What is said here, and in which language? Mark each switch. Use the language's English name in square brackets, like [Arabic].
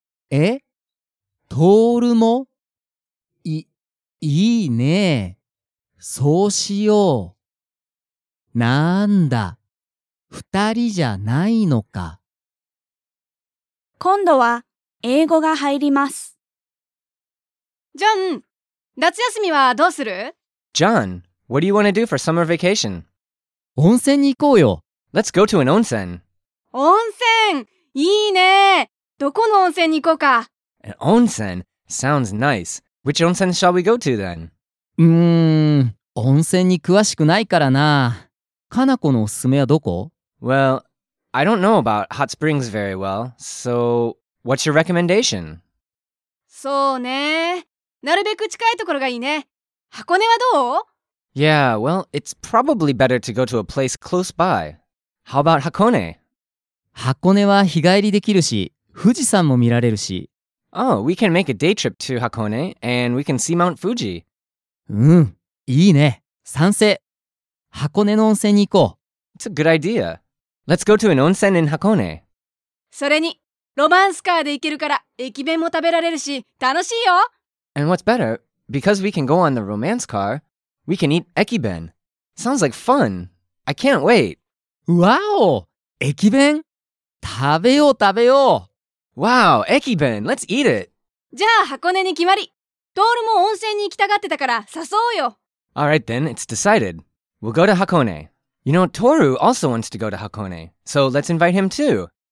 [Japanese] え、トールも？いいね、そうしよう。なんだ、二人じゃないのか。今度は英語が入ります。ジョン、夏休みはどうする？ [English] John, what do you want to do for summer vacation? [Japanese] 温泉に行こうよ。 [English] Let's go to an 温泉。 [Japanese] 温泉、いいね。どこの温泉に行こうか。 [English] An 温泉 sounds nice. Which 温泉 shall we go to then? [Japanese] 温泉に詳しくないからな。かなこのおすすめはどこ？ [English] Well,I don't know about hot springs very well, so what's your recommendation? [Japanese] そうね、なるべく近いところがいいね。箱根はどう？ [English] Yeah, well, it's probably better to go to a place close by. How about Hakone? [Japanese] Hakone は日帰りできるし、富士山も見られるし。 [English] Oh, we can make a day trip to Hakone, and we can see Mount Fuji. [Japanese] うん、いいね。賛成。Hakone の温泉に行こう。 [English] It's a good idea. Let's go to an onsen in Hakone. [Japanese] それに、ロマンスカーで行けるから、駅弁も食べられるし、楽しいよ。 [English] And what's better, because we can go on the romance car, we can eat ekiben. Sounds like fun. I can't wait. [Japanese] Wow! Ekiben? 食べよう食べよう。 [English] Wow, ekiben, let's eat it. [Japanese] じゃあ、箱根に決まり。トールも温泉に行きたがってたから、誘おうよ。 [English] Alright then, it's decided. We'll go to Hakone. You know, Toru also wants to go to Hakone, so let's invite him too.